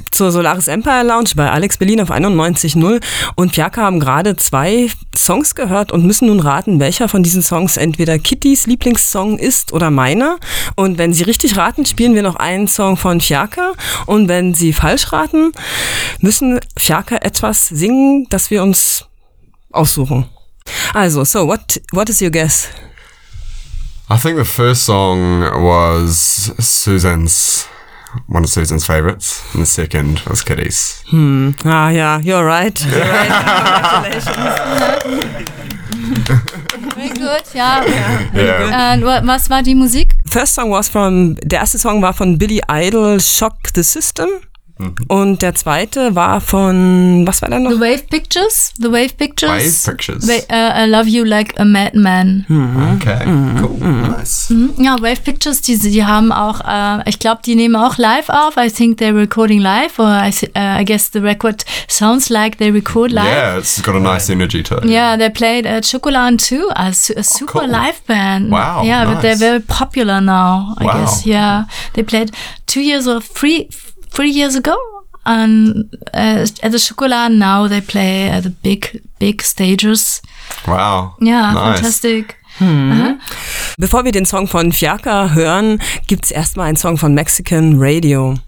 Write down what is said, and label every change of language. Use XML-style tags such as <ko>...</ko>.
<de>Zur Solaris Empire Lounge bei Alex Berlin auf 91.0. Und Fjaka haben gerade zwei Songs gehört und müssen nun raten, welcher von diesen Songs entweder Kittys Lieblingssong ist oder meiner. Und wenn sie richtig raten, spielen wir noch einen Song von Fjaka. Und wenn sie falsch raten, müssen Fjaka etwas singen, das wir uns aussuchen.</de> <en>Also, so, what is your guess? I think the first song was Susan's, one of Susan's favorites, and the second was Kitty's. Hmm. Ah, yeah, you're right. Congratulations. Very good, yeah. And</en> <de>was war die Musik?</de> <en>First song was from,</en> <de>der erste Song war von Billy Idol, Shock the System. Mm-hmm. Und der zweite war von, was war der noch?</de> <en>The Wave Pictures. I Love You Like a Madman. Mm-hmm. Okay, mm-hmm. Cool, mm-hmm. Nice.</en> <de>Ja, Wave Pictures, die haben auch, ich glaube, die nehmen auch live auf.</de> <en>I think they're recording live, or I guess the record sounds like they record live. Yeah, it's got a nice energy to it. Yeah, they played at Chocolat too, a super cool live band. Wow, yeah, nice. But they're very popular now, I guess. Yeah, they played 2 years or three... 3 years ago, and at the Chocolat, now they play at the big stages. Wow! Yeah, nice. Fantastic.</en> <de>Bevor wir den Song von Fiaca hören, gibt's erstmal einen Song von Mexican Radio.</de>